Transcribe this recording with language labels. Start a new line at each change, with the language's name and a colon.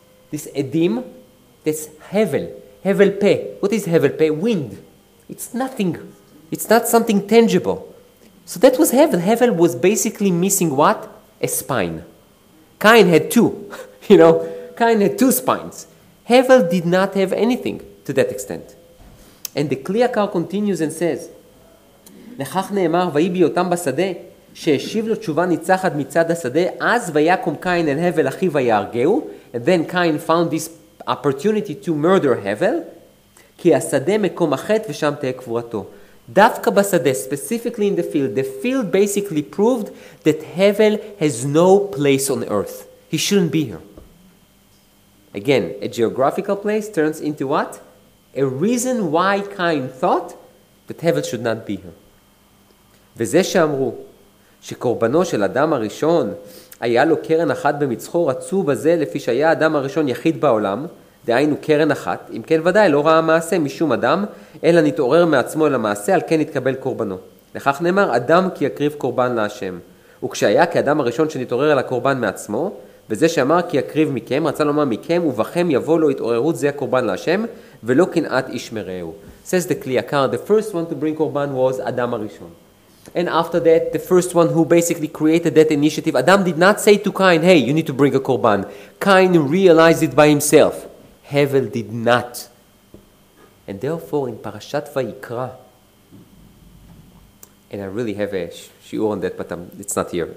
English: This edim, that's Hevel. Hevel peh. What is Hevel peh? Wind. It's nothing. It's not something tangible. So that was Hevel. Hevel was basically missing what? A spine. Cain had two. You know, Cain had two spines. Hevel did not have anything to that extent. And the Kli Yakar continues and says,
Hebrew: לכך נאמר, ויהי בהיותם בשדה, שהשיב לו תשובה ניצחת מצד השדה, אז ויקום קין אל הבל אחיו ויהרגהו,
English: and then Cain found this opportunity to murder Hevel,
Hebrew: כי השדה מקום החטא ושם תהיה קבורתו. דווקא בשדה,
English: specifically in the field basically proved that Hevel has no place on earth. He shouldn't be here. Again, a geographical place turns into what? A reason why Cain thought that Hevel should not be here.
Hebrew: וזה שאמרו שקורבנו של אדם הראשון היה לו קרן אחת במצחו, רצו בזה לפי שהיה אדם הראשון יחיד בעולם, דהיינו קרן אחת, אם כן ודאי לא ראה מעשה משום אדם, אלא נתעורר מעצמו אל המעשה, על כן התקבל קורבנו. לכך נאמר, אדם כי יקריב קורבן להשם. וכשהיה כאדם הראשון שנתעורר אל הקורבן מעצמו, וזה שאמר כי יקריב מכם, רצה לומר מכם, ובכם יבוא לו התעוררות זה הקורבן להשם, ולא קנאת איש מרעהו.
English: Says the Kli Yakar, the first one to bring קורבן was אדם הראשון. And after that, the first one who basically created that initiative, Adam did not say to Cain, hey, you need to bring a korban. Cain realized it by himself. Hevel did not. And therefore, in Parashat Vayikra, and I really have a shiur on that, but it's not here.